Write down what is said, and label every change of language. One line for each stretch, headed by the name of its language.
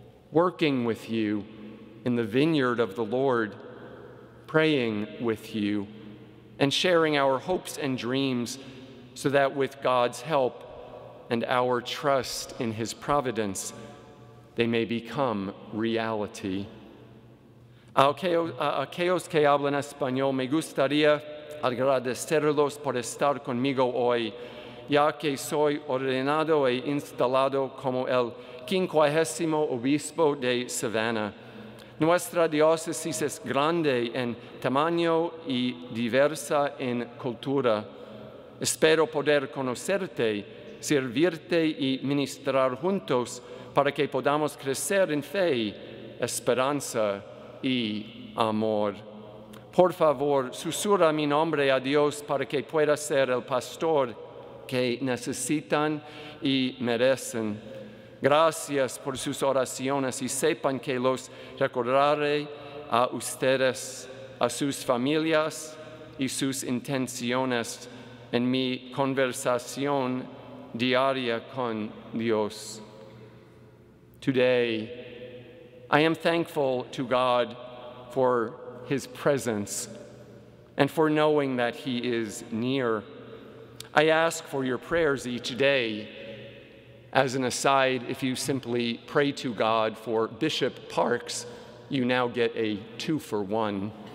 English: working with you in the vineyard of the Lord, praying with you, and sharing our hopes and dreams so that with God's help and our trust in his providence, they may become reality.
Spanish: Aquellos que hablan español, me gustaría agradecerlos por estar conmigo hoy, ya que soy ordenado e instalado como el 50º obispo de Savannah. Nuestra diócesis es grande en tamaño y diversa en cultura. Espero poder conocerte, servirte y ministrar juntos para que podamos crecer en fe, esperanza y amor. Por favor, susurra mi nombre a Dios para que pueda ser el pastor que necesitan y merecen. Gracias por sus oraciones y sepan que los recordaré a ustedes, a sus familias y sus intenciones en mi conversación diaria con Dios.
English: Today, I am thankful to God for his presence and for knowing that he is near. I ask for your prayers each day. As an aside, if you simply pray to God for Bishop Parks, you now get a 2-for-1.